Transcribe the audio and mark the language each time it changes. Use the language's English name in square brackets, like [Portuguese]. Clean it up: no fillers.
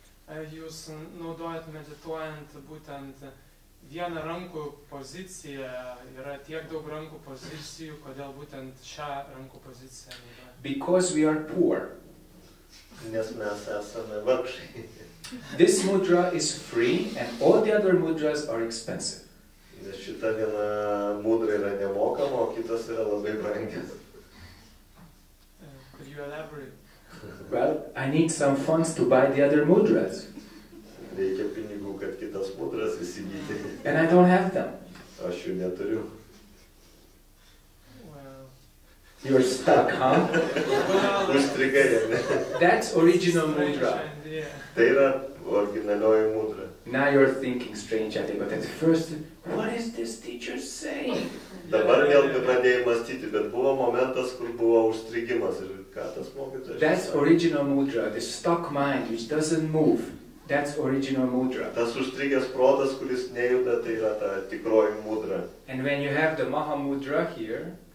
[Lithuanian] Jūs naudojat medituojant būtent vieną rankų poziciją, yra tiek daug rankų pozicijų, kodėl būtent šią rankų poziciją naudojate? [English] Because we are poor. [Lithuanian] Nes mes esame vargšai. [English] This mudra is free and all the other mudras are expensive. [Lithuanian] Nes šita viena mudra yra nemokama, o kitas yra labai brangias. [English] Could you elaborate? Well, I need some funds to buy the other mudras. [Lithuanian] Reikia pinigų, kad kitas mudras įsigyti. [English] And I don't have them. [Lithuanian] Aš jų neturiu. [English] Well, you're stuck, huh? [Lithuanian] Užstrigai, ne? [English] That's original mudra. [Lithuanian] Tai yra originalioji mudra. [English] Now you're thinking strange, I think, but at first, what is this teacher saying? [Lithuanian] Dabar vėl pradėjai mąstyti, bet buvo momentas, kur buvo užstrigimas ir ką tas mokytas. [English] That's original mudra, the stuck mind which doesn't move. That's original mudra. [Lithuanian] Tas užstrigęs protas, kuris nejuda, tai yra ta tikroji mudra. [English] And when you have the maha mudra here,